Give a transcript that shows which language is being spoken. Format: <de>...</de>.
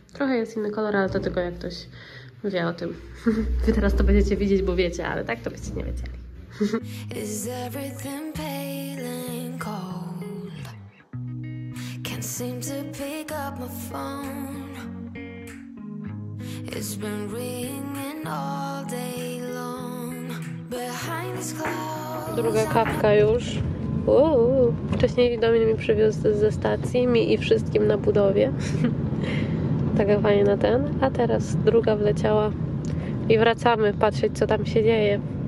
<pl>Trochę jest inny kolor, ale to tylko jak ktoś wie o tym. Wy teraz to będziecie widzieć, bo wiecie, ale tak to byście nie wiedzieli.</pl> <en>Is everything pale and cold? Can't seem to pick up my phone. It's been ringing all day long. Behind this cloud.</en> <pl>Druga kawka już. Wcześniej Domin mi przywiózł ze stacji, mi i wszystkim na budowie. Tak fajnie na ten. A teraz druga wleciała. I wracamy patrzeć, co tam się dzieje.</pl>